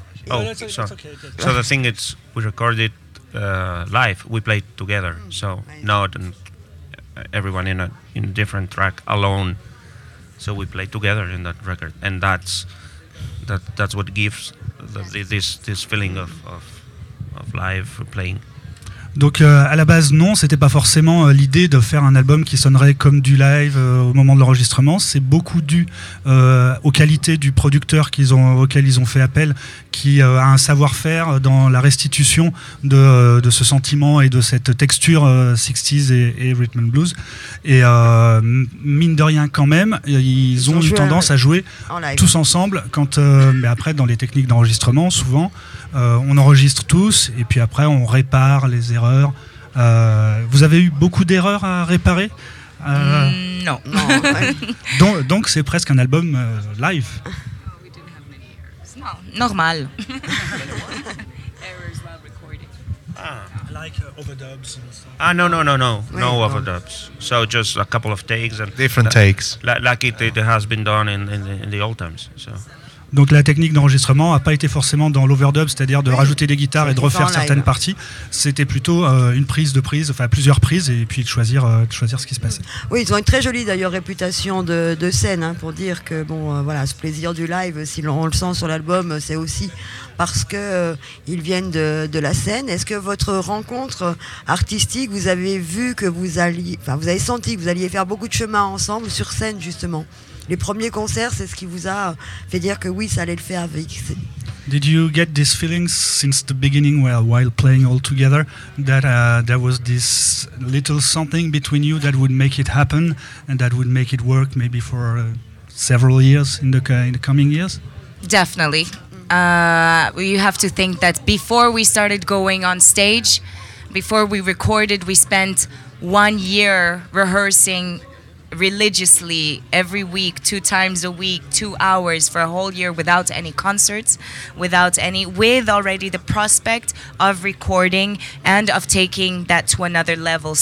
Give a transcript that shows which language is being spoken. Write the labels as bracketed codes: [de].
[en] Oh, so, so the thing is, we recorded live. We played together, so not and everyone in a different track alone. So we played together in that record, and that's what gives this feeling of live playing. [fr] Donc à la base non, c'était pas forcément l'idée de faire un album qui sonnerait comme du live au moment de l'enregistrement. C'est beaucoup dû aux qualités du producteur auquel ils ont fait appel, qui a un savoir-faire dans la restitution de ce sentiment et de cette texture 60s et rhythm and blues. Et mine de rien quand même, ils ont eu tendance à jouer en live. Tous ensemble. Quand mais après dans les techniques d'enregistrement souvent. On enregistre tous et puis après on répare les erreurs. Vous avez eu beaucoup d'erreurs à réparer? Non. donc c'est presque un album live. [en] No, we didn't have many errors. No, normal. Errors while recording. Like overdubs and stuff. Ah, no. Wait, no overdubs. So just a couple of takes. And different takes. Like it has been done in the old times. So. [fr] Donc la technique d'enregistrement n'a pas été forcément dans l'overdub, c'est-à-dire de rajouter des guitares et de refaire certaines parties. C'était plutôt une prise de prise, enfin plusieurs prises, et puis de choisir ce qui se passait. Oui, ils ont une très jolie d'ailleurs réputation de scène, hein, pour dire que bon, voilà, ce plaisir du live, si on le sent sur l'album, c'est aussi parce qu'ils viennent de la scène. Est-ce que votre rencontre artistique, vous avez vu que vous avez senti que vous alliez faire beaucoup de chemin ensemble sur scène justement? Les premiers concerts, c'est ce qui vous a fait dire que oui, ça allait le faire avec. [en] Did you get this feeling since the beginning, while playing all together, that there was this little something between you that would make it happen and that would make it work, maybe for several years in the coming years? Definitely. You have to think that before we started going on stage, before we recorded, we spent 1 year rehearsing religiously every week, 2 times a week, 2 hours for a whole year without any concerts, with already the prospect of recording and of taking that to another level.